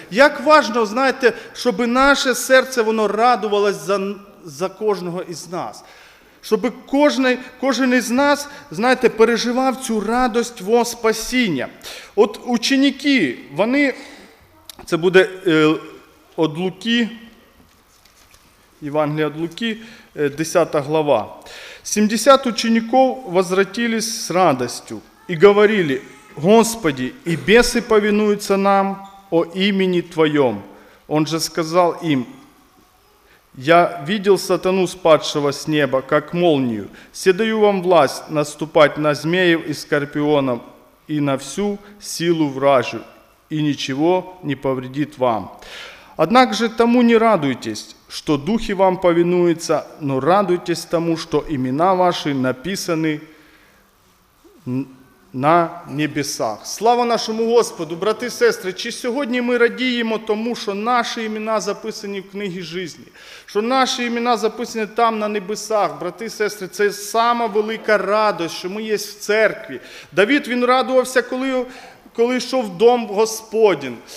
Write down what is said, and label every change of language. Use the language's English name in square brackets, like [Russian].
[Ukrainian] Як важливо, знаєте, щоб наше серце, воно радувалось за кожного із нас. Щоб кожен із нас, знаєте, переживав цю радость во спасіння. От ученики, вони... Це буде від Луки, [Russian] Евангелие от Луки, 10 глава. 70 учеников возвратились с радостью и говорили: «Господи, и бесы повинуются нам о имени Твоем». Он же сказал им: «Я видел сатану, спадшего с неба, как молнию. Се даю вам власть наступать на змеев и скорпионов и на всю силу вражью, и ничего не повредит вам. Однако же тому не радуйтесь, что духи вам повинуются, но радуйтесь тому, что имена ваши написаны на небесах». Слава нашему Господу! [Ukrainian] Брати і сестри, чи сьогодні ми радіємо тому, що наші імена записані в книгі жизни? Що наші імена записані там, на небесах? Брати і сестри, це сама велика радость, що ми є в церкві. Давид, він радувався, коли йшов в дом Господень.